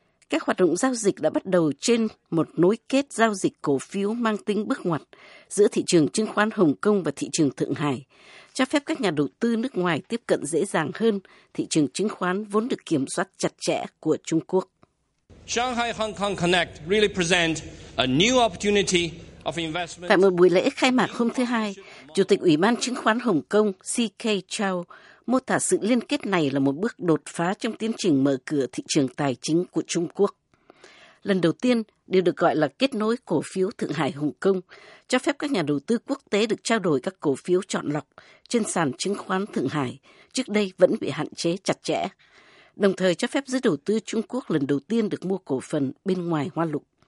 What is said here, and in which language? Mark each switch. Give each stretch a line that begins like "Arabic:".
Vietnamese: Các hoạt động giao dịch đã bắt đầu trên một nối kết giao dịch cổ phiếu mang tính bước ngoặt giữa thị trường chứng khoán Hồng Kông và thị trường Thượng Hải, cho phép các nhà đầu tư nước ngoài tiếp cận dễ dàng hơn thị trường chứng khoán vốn được kiểm soát chặt chẽ của Trung Quốc.
English: Shanghai Hong Kong Connect really present a new opportunity.
Vietnamese: Tại một buổi lễ khai mạc hôm thứ Hai, Chủ tịch Ủy ban Chứng khoán Hồng Kông C.K. Chow mô tả sự liên kết này là một bước đột phá trong tiến trình mở cửa thị trường tài chính của Trung Quốc. Lần đầu tiên, điều được gọi là kết nối cổ phiếu Thượng Hải Hồng Kông cho phép các nhà đầu tư quốc tế được trao đổi các cổ phiếu chọn lọc trên sàn chứng khoán Thượng Hải, trước đây vẫn bị hạn chế chặt chẽ, đồng thời cho phép giới đầu tư Trung Quốc lần đầu tiên được mua cổ phần bên ngoài Hoa Lục.